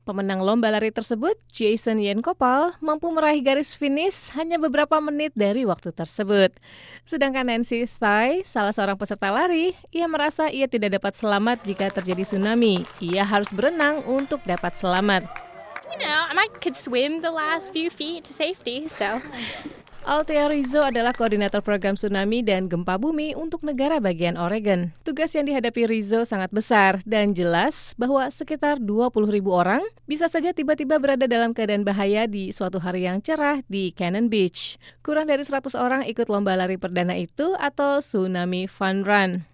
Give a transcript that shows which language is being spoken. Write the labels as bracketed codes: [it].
[id] Pemenang lomba lari tersebut, Jason Yenkopal, mampu meraih garis finish hanya beberapa menit dari waktu tersebut. Sedangkan Nancy Thai, salah seorang peserta lari, ia merasa ia tidak dapat selamat jika terjadi tsunami. Ia harus berenang untuk dapat selamat. [en] I could swim the last few feet to safety, so. [id] Althea Rizzo adalah koordinator program tsunami dan gempa bumi untuk negara bagian Oregon. Tugas yang dihadapi Rizzo sangat besar dan jelas bahwa sekitar 20 ribu orang bisa saja tiba-tiba berada dalam keadaan bahaya di suatu hari yang cerah di Cannon Beach. Kurang dari 100 orang ikut lomba lari perdana itu atau tsunami fun run.